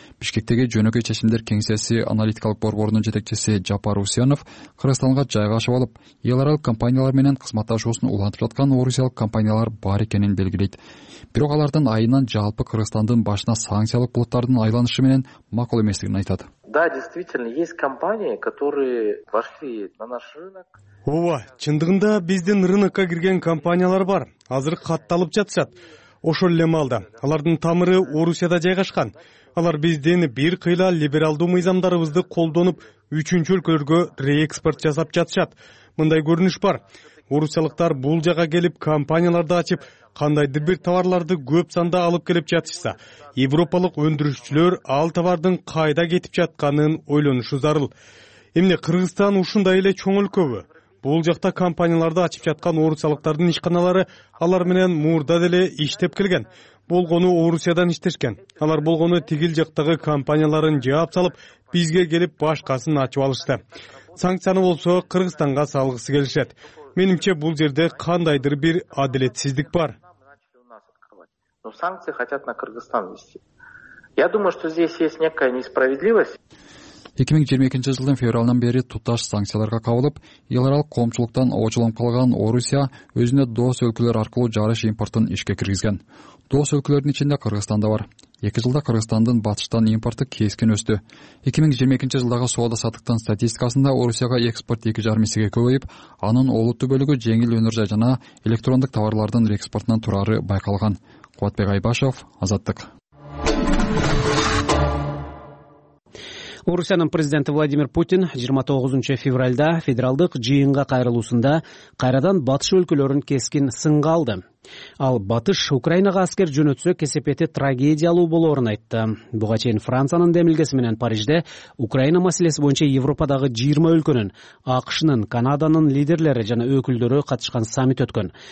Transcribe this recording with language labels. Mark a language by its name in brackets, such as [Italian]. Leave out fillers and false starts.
[Kyrgyz] Бишкектеги жөнөкөй чечимдер кеңсеси аналитикалык борборунун жетекчиси Жапар Усянов Кыргызстанга жайгашып алып, эл аралык компаниялар менен кызматташуусун улантып жаткан орусиялык компаниялар бар экенин белгилейт. Бирок алардын айынан жалпы Кыргызстандын башына санкциялык булуттардын айланышы менен макул эместигин айтат. [Russian] Да, действительно, есть компании, которые вошли на наш рынок. [Kyrgyz] Ооба, чындыгында биздин рынокко кирген компаниялар бар. Азыр катталып жатышат. Ошол эле маалда. Алардын тамыры Орусияда жайгашкан. Алар бизден бир кыйла либералдуу мыйзамдарыбызды колдонуп, үчүнчү өлкөлөргө реэкспорт жасап жатышат. Мындай көрүнүш бар. Орусиялыктар бул жага келип, компанияларды ачып, кандайдыр бир товарларды көп санда алып келип жатышса, европалык өндүрүүчүлөр ал товардын кайда кетип жатканын ойлонушу зарыл. Эмне Кыргызстан ушундай эле чоң өлкөбү? Бул жакта компанияларды ачып жаткан орусиялыктардын ишканалары алар менен мурда деле иштеп келген. Болгону Орусиядан иштешкен. Алар болгону тигил жактагы компанияларын жаап салып, бизге келип башкасын ачып алышты. Санкцияны болсо Кыргызстанга салгысы келишет. Менимче бул жерде кандайдыр бир адилетсиздик бар. [Russian] Но санкции хотят на Кыргызстан ввести. Я думаю, что здесь есть некая несправедливость. [Kyrgyz] 2022 жылдын февралынан бери туташ санкцияларга кабылып, эл аралык коомчулуктан очолонуп калган Орусия өзүнө дос өлкөлөр аркылуу жарыш импортун ишке киргизген. Дос өлкөлөрдүн ичинде Кыргызстан да бар. 2 жылда Кыргызстандын батыштан импорту кескин өстү. 2022 жылдагы соода саттыктын статистикасында Орусияга экспорт 2,5 эсеге көбөйүп, анын олуттуу бөлүгү жеңил өнөр жай жана электрондук товарлардын экспортунан турары байкалган. Кубатбек Айбашев, Азаттык. Орусиянын президенти Владимир Путин 29 февралда федералдык жыйынга кайрылуусунда кайрадан батыш өлкөлөрүн кескин сынга алды. Ал батыш Украинага аскер жөнөтсө кесепети трагедиялуу болорун айтты. Буга чейин Франциянын демилгеси менен Парижде Украина маселеси боюнча Европадагы 20 өлкөнүн, АКШнын, Канаданын лидерлери жана өкүлдөрү катышкан саммит өткөн.